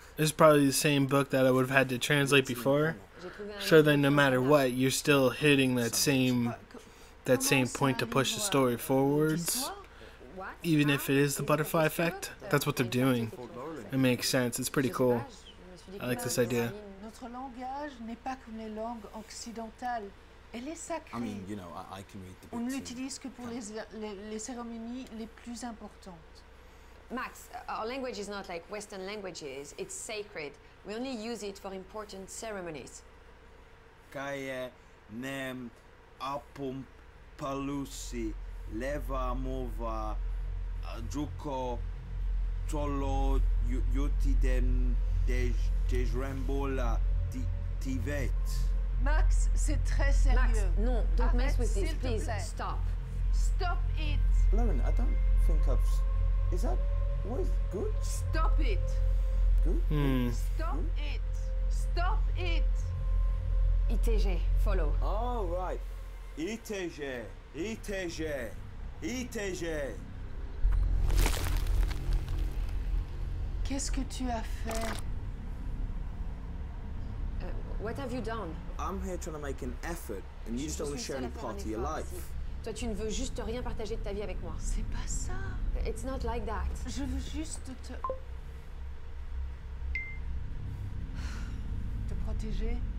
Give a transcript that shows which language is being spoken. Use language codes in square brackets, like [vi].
[en] It's probably the same book that I would have had to translate before. So then no matter what, you're still hitting that same point to push the story forwards. Even if it is the butterfly effect, that's what they're doing. It makes sense. It's pretty cool. I like this idea. [fr] Notre langage n'est pas comme les langues occidentales. Elle est sacrée. [en] I mean, you know, I can read the book. [fr] On ne l'utilise que pour les cérémonies les plus importantes. [en] Max, our language is not like Western languages. It's sacred. We only use it for important ceremonies. Kaye nem apum palusi leva mova Druko Tolo Yotidem Dejrembola Tivet. [fr] Max, c'est très sérieux. [en] Max, non, don't mess with this, please. Stop. Stop it. Lauren, I don't think I've... Is that... What is good? Stop it. Good? Mm. Stop it. Stop it. ITG, follow. Oh, right. ITG. ITG. ITG. [fr] Qu'est-ce que tu as fait? [en] What have you done? I'm here trying to make an effort, and you just don't want to share any part of your life. [fr] Toi, tu ne veux juste rien partager de ta vie avec moi. C'est pas ça. [en] It's not like that. [fr] Je veux juste te... te protéger.